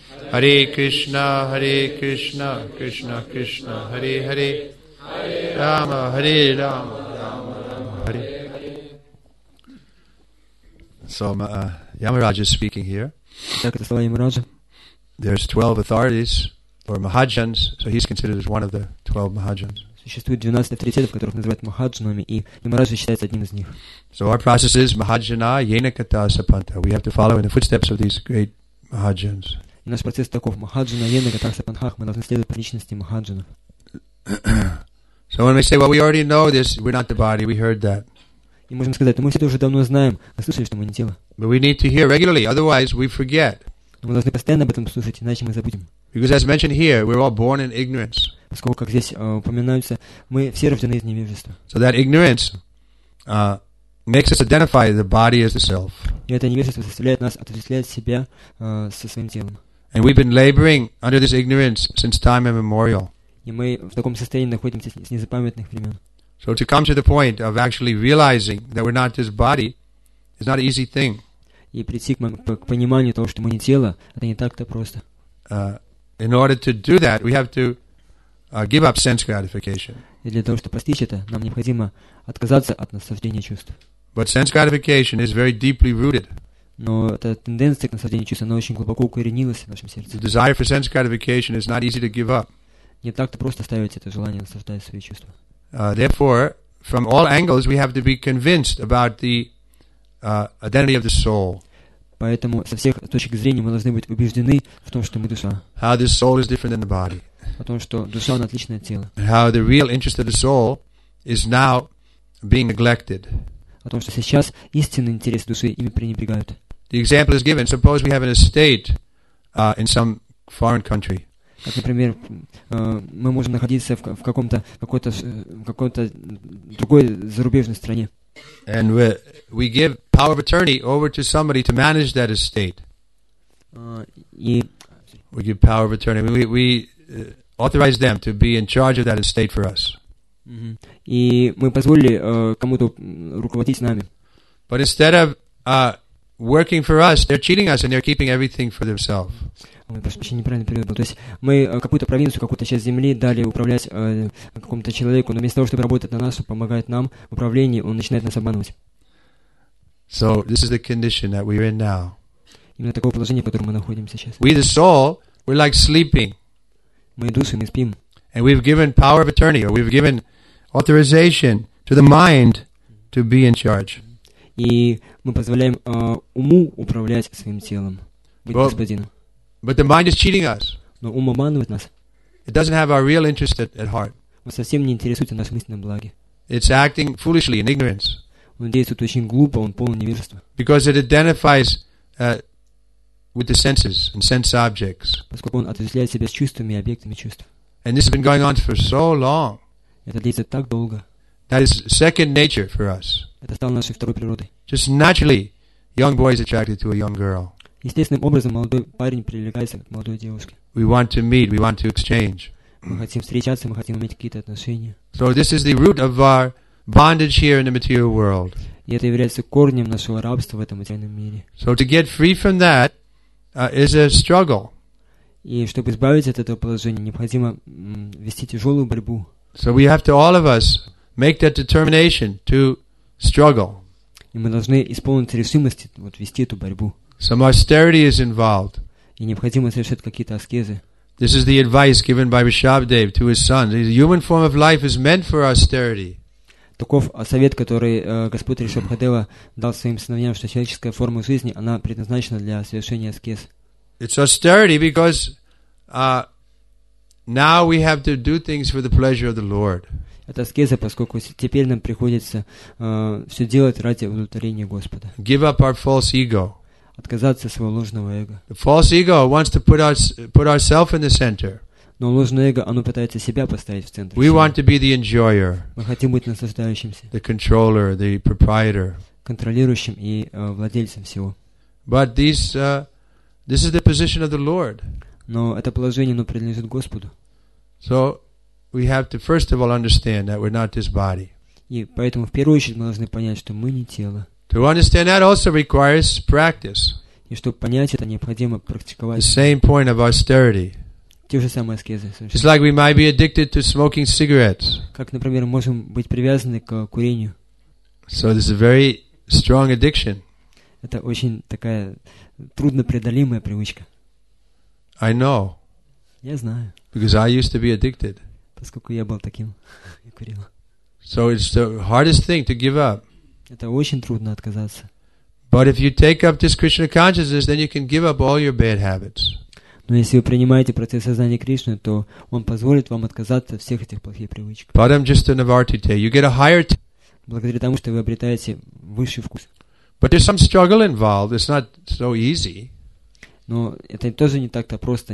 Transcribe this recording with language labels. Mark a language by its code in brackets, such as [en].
[sa] Hare Krishna Hare Krishna Krishna Krishna Hare Hare Rama Hare Rama Rama Rama Hare Soma [en] Yamaraj is speaking here. There's 12 authorities or Mahajans, so he's considered as one of the 12 Mahajans. [ru] Существует 12 авторитетов, которых называют Махаджанами, и Ямараджа считается одним из них. [en] So our process is [sa] Mahajana Yena Kata Sapanta. [en] We have to follow in the footsteps of these great Mahajans. [ru] И наш процесс таков: [sa] Махаджана Йена Кта Сапанхах. [ru] Мы должны следовать по личности Махаджанов. [en] So when we say, well, we already know this, we're not the body, we heard that. [ru] И можем сказать, мы все это уже давно знаем, а слышали, что мы не тело. [en] But we need to hear regularly, otherwise we forget. [ru] Но мы должны постоянно об этом слушать, иначе мы забудем. [en] Because as mentioned here, we're all born in ignorance. [ru] Поскольку, как здесь упоминается, мы все рождены из невежества. [en] So that ignorance makes us identify the body as the self. [ru] И это невежество заставляет нас отождествлять себя со своим телом. [en] And we've been laboring under this ignorance since time immemorial. [ru] И мы в таком состоянии находимся с незапамятных времен. [en] So to come to the point of actually realizing that we're not this body is not an easy thing. [ru] И прийти к пониманию того, что мы не тело, это не так-то просто. [en] In order to do that, we have to give up sense gratification. [ru] И для того, чтобы постичь это, нам необходимо отказаться от наслаждения чувств. [en] But sense gratification is very deeply rooted. [ru] Но эта тенденция к наслаждению чувств, она очень глубоко укоренилась в нашем сердце. [en] The desire for sense gratification is not easy to give up. [ru] Не так-то просто оставить это желание наслаждать свои чувства. [en] Therefore, from all angles, we have to be convinced about the identity of the soul. [ru] Поэтому со всех точек зрения мы должны быть убеждены в том, что мы душа. [en] How the soul is different than the body. [ru] О том, что душа она отличная от тела. [en] How the real interest of the soul is now being neglected. [ru] О том, что сейчас истинные интересы души ими пренебрегают. [en] The example is given. Suppose we have an estate in some foreign country. [ru] Как, например, мы можем находиться в каком-то, какой-то, какой-то другой зарубежной стране. [en] And we give power of attorney over to somebody to manage that estate. We give power of attorney. We authorize them to be in charge of that estate for us. [ru] И мы позволили кому-то руководить нами. [en] But instead of working for us, they're cheating us and they're keeping everything for themselves. [ru] Ой, прошу прощения, неправильно перевел. То есть мы какую-то провинцию, какую-то часть земли дали управлять какому-то человеку, но вместо того, чтобы работать на нас, помогает нам в управлении, он начинает нас обманывать. [en] So this is the condition that we're in now. [ru] Именно такое положение, в котором мы находимся сейчас. [en] We the soul, we're like sleeping. [ru] Мы души, мы спим. [en] And we've given power of attorney, or we've given authorization to the mind to be in charge. [ru] И мы позволяем уму управлять своим телом, быть господином. [en] But the mind is cheating us. [ru] Но ум обманывает нас. [en] It doesn't have our real interest at heart. [ru] Он совсем не интересуется нашим истинным благом. [en] It's acting foolishly in ignorance. [ru] Он действует очень глупо, он полон невежества. [en] Because it identifies with the senses and sense objects. [ru] Поскольку он отождествляет себя с чувствами и объектами чувств. [en] And this has been going on for so long. [ru] Это длится так долго. [en] That is second nature for us. [ru] Это стало нашей второй природой. [en] Just naturally, young boys attracted to a young girl. [ru] Естественным образом молодой парень прилегается к молодой девушке. [en] We want to meet, we want to exchange. [ru] Мы хотим встречаться, мы хотим иметь какие-то отношения. [en] So this is the root of our bondage here in the material world. [ru] И это является корнем нашего рабства в этом материальном мире. [en] So to get free from that is a struggle. [ru] И чтобы избавиться от этого положения, необходимо вести тяжелую борьбу. [en] So we have to all of us make that determination to struggle. [ru] И мы должны исполнить решимости вот вести эту борьбу. [en] Some austerity is involved. [ru] И необходимо совершать какие-то аскезы. [en] This is the advice given by Rishabhdev to his son. The human form of life is meant for austerity. [ru] Таков совет, который Господь Ришабхадева дал своим сыновьям, что человеческая форма жизни, она предназначена для совершения аскез. [en] It's austerity because now we have to do things for the pleasure of the Lord. [ru] Это аскеза, поскольку теперь нам приходится все делать ради удовлетворения Господа. [en] Give up our false ego. [ru] Отказаться от своего ложного эго. [en] The false ego wants to put ourselves in the center. [ru] Но ложное эго, оно пытается себя поставить в центр. [en] We want to be the enjoyer. [ru] Мы хотим быть наслаждающимся. [en] The controller, the proprietor. [ru] Контролирующим и владельцем всего. [en] But this is the position of the Lord. [ru] Но это положение, оно принадлежит Господу. [en] So we have to first of all understand that we're not this body. [ru] И поэтому в первую очередь мы должны понять, что мы не тело. [en] To understand that also requires practice. [ru] И чтобы понять это, необходимо практиковать. [en] The same point of austerity. [ru] Те же самые аскезы, совершенно. [en] It's like we might be addicted to smoking cigarettes. [ru] Как, например, можем быть привязаны к курению. [en] So this is a very strong addiction. [ru] Это очень такая труднопреодолимая привычка. [en] I know. [ru] Я знаю. [en] Because I used to be addicted. [ru] Поскольку я был таким, я курил. [en] So it's the hardest thing to give up. [ru] Это очень трудно отказаться. [en] But if you take up this Krishna consciousness, then you can give up all your bad habits. [ru] Но если вы принимаете процесс сознания Кришны, то он позволит вам отказаться от всех этих плохих привычек. [sa] Padam jista navartite, [en] you get a higher. [ru] Благодаря тому, что вы обретаете высший вкус. [en] But there's some struggle involved. It's not so easy. [ru] Но это тоже не так-то просто.